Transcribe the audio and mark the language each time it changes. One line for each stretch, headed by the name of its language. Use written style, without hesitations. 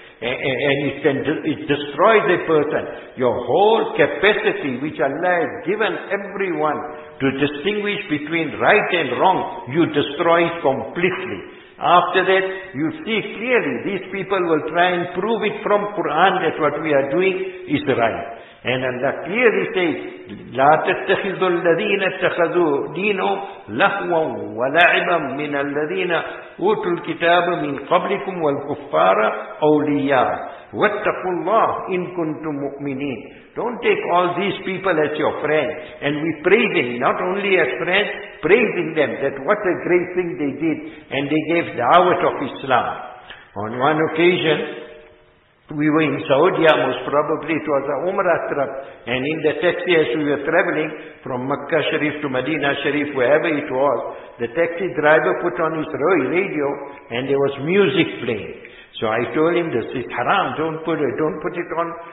English: And it destroys a person. Your whole capacity which Allah has given everyone to distinguish between right and wrong, you destroy it completely. After that, you see clearly these people will try and prove it from Quran that what we are doing is right. And Allah clearly says,
Arabic: لَا تَتَّخِذُوا الَّذِينَ اتَّخَذُوا دِينُهُمْ لَهْوًا وَلَعِبًا مِنَ الَّذِينَ أُوتُوا الْكِتَابَ مِنْ قَبْلِكُمْ وَالْكُفَّارَ أَوْلِيَاءَ وَاتَّقُوا اللَّهِ إِن كُنْتُمْ مُؤْمِنِينَ.
English: Don't take all these people as your friends. And we praise them, not only as friends, praising them that what a great thing they did. And they gave the da'wah of Islam. On one occasion, we were in Saudi, most probably it was a Umrah trip, and in the taxi as we were traveling from Makkah Sharif to Medina Sharif, wherever it was, the taxi driver put on his radio and there was music playing. So I told him, this is haram, don't put it on